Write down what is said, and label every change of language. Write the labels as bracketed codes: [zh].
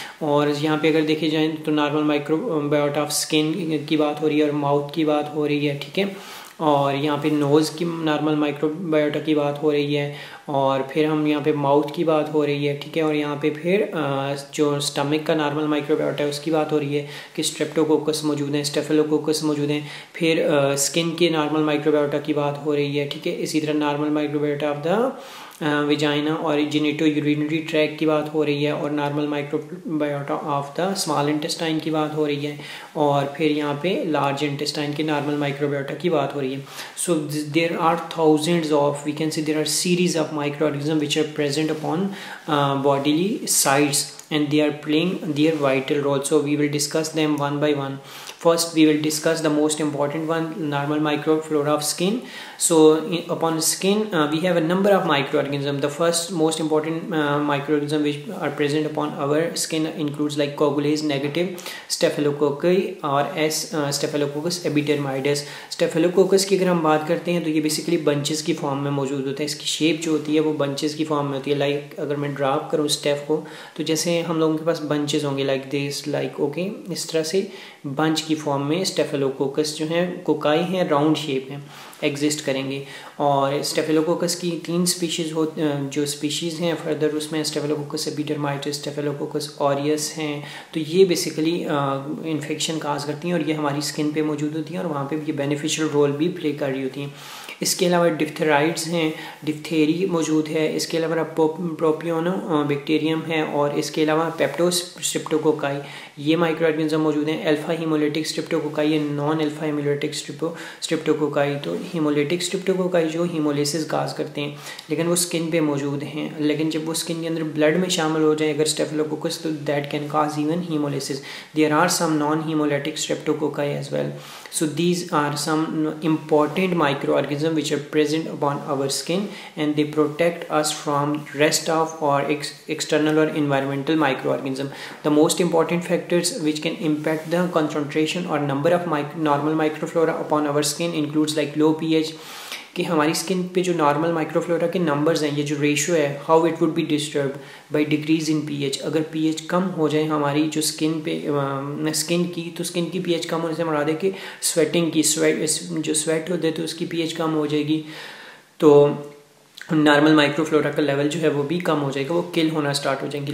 [ur] اور یہاں پہ اگر دیکھے جائیں تو نارمل مائکروبیوٹا آف اسکن کی بات ہو رہی ہے اور ماؤتھ کی بات ہو رہی ہے, ٹھیک ہے, اور یہاں پہ نوز کی نارمل مائکروبیوٹا کی بات ہو رہی ہے, اور پھر ہم یہاں پہ ماؤتھ کی بات ہو رہی ہے, ٹھیک ہے, اور یہاں پہ پھر جو اسٹمک کا نارمل مائکروبیوٹا ہے اس کی بات ہو رہی ہے کہ اسٹریپٹوکوکس موجود ہیں, اسٹیفلوکوکس موجود ہیں, پھر اسکن کے نارمل مائکروبیوٹا کی بات ہو رہی ہے, ٹھیک ہے, اسی طرح نارمل مائکروبیوٹا آف دا وجائنا اور جینیٹو یورینری ٹریک کی بات ہو رہی ہے, اور normal مائکروبیوٹا of the small intestine کی بات ہو رہی ہے, اور پھر یہاں پہ لارج انٹسٹائن کے نارمل مائکروبیوٹا کی بات ہو رہی ہے. [en] So there are thousands of, we can see there are series of micro organism which are present upon bodily sites and they are playing their vital role. So we will discuss them one by one. First, we will discuss the most important one, normal microflora of skin. So, upon skin, we have a number of microorganisms. The first most important microorganisms which are present upon our skin includes like coagulase negative, staphylococci or staphylococcus epidermidis. [ur] Staphylococcus ki agar hum baat karte hain to ye basically bunches ki form mein maujood hota hai. Iski shape jo hoti hai wo bunches ki form mein hoti hai. Like agar main draw karu staph ko to jaise hum logon ke paas bunches honge like this, like okay, is tarah se bench کی form میں اسٹیفلوکوکس جو ہیں کوکائی ہیں round shape میں exist کریں گے. اور اسٹیفلوکوکس کی تین اسپیشیز ہو جو اسپیشیز ہیں فردر اس میں اسٹیفلوکوکس ایپیڈرمائٹس, اسٹیفلوکوکس اوریس ہیں. تو یہ بیسیکلی انفیکشن کاز کرتی ہیں اور یہ ہماری اسکن پہ موجود ہوتی ہیں اور وہاں پہ یہ بینیفیشل رول بھی پلے کر رہی ہوتی ہیں. اس کے علاوہ ڈفتھرائڈس ہیں, ڈفتھیری موجود ہے, اس کے علاوہ پروپیونو بیکٹیریم ہے, اور اس کے علاوہ پیپٹو اسٹریپٹوکوکائی یہ مائکرو آرگنزم موجود ہیں, الفا ہیمولیٹک اسٹریپٹوکوکائی یہ نان الفا ہیمولیٹک اسٹریپٹوکوکائی. تو ہیمولیٹک اسٹریپٹوکوکائی جو ہیمولیسس کاز کرتے ہیں لیکن وہ اسکن پہ موجود ہیں, لیکن جب وہ اسکن کے اندر بلڈ میں شامل ہو جائیں اگر اسٹیفلوکوکس تو [en] That can cause even haemolysis. There are some non haemolytic streptococci as well. So these are some important microorganisms which are present upon our skin and they protect us from rest of or external or environmental microorganisms. The most important factors which can impact the concentration or number of normal microflora upon our skin includes like low pH, [ur] کہ ہماری skin پہ جو normal micro flora کے numbers ہیں یہ جو ratio ہے [en] How it would be disturb by decrease in P H. [ur] اگر پی ایچ کم ہو جائے ہماری جو اسکن پہ اسکن کی تو اسکن کی پی ایچ کم ہونے سے مراد ہے کہ سویٹنگ کی جو سویٹ ہو جائے تو اس کی پی ایچ کم ہو جائے گی تو نارمل مائکرو فلورا کا لیول جو ہے وہ بھی کم ہو جائے گا, وہ کل ہونا اسٹارٹ ہو جائیں گے.